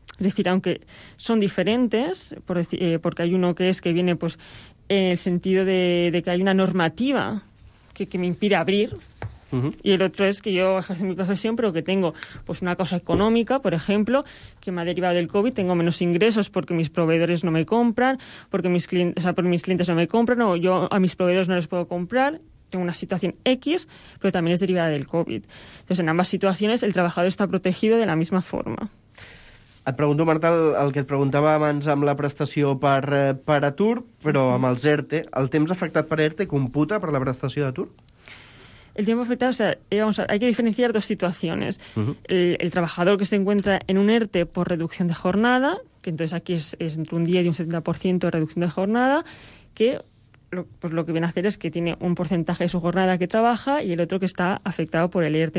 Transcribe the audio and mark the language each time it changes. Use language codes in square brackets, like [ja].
[es] Es decir, aunque son diferentes, porque hay uno que viene pues en el sentido de que hay una normativa que me impide abrir, uh-huh, y el otro es que yo ejerzo mi profesión, pero que tengo pues una causa económica, por ejemplo, que me ha derivado del COVID, tengo menos ingresos porque mis proveedores no me compran, porque mis clientes no me compran, o yo a mis proveedores no les puedo comprar. Tengo una situación X, pero también es derivada del COVID. Entonces, en ambas situaciones, el trabajador está protegido de la misma forma. [ca] Et pregunto, Marta, el que et preguntava abans amb la prestació per atur, però amb els ERTE, el temps afectat per ERTE computa per la prestació d'atur? [es] El tiempo afectado, o sea, vamos a ver, hay que diferenciar dos situaciones. Uh-huh. El trabajador que se encuentra en un ERTE por reducción de jornada, que entonces aquí es entre un 10 y un 70% de reducción de jornada, que pues lo que viene a hacer es que tiene un porcentaje de su jornada que trabaja y el otro que está afectado por el ERTE.